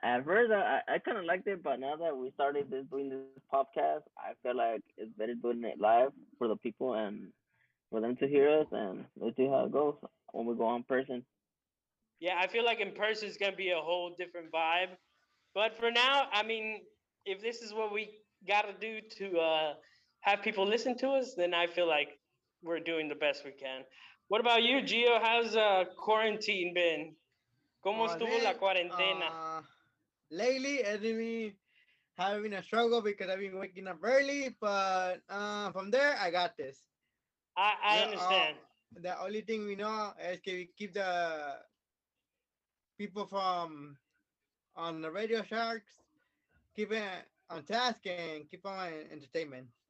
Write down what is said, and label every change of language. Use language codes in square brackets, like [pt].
[en] At first, I kind of liked it, but now that we started doing this podcast, I feel like it's better doing it live for the people and for them to hear us, and we'll see how it goes when we go in person. Yeah, I feel like in person is going to be a whole different vibe, But for now, I mean, if this is what we got to do to have people listen to us, then I feel like we're doing the best we can. What about you, Gio? How's quarantine been? [es] ¿Cómo estuvo la cuarentena? [en] Lately, I've been having a struggle because I've been waking up early, but from there, I got this. I understand. The only thing we know is can we keep the people from on the Radio Sharks, keep it on task and keep on entertainment.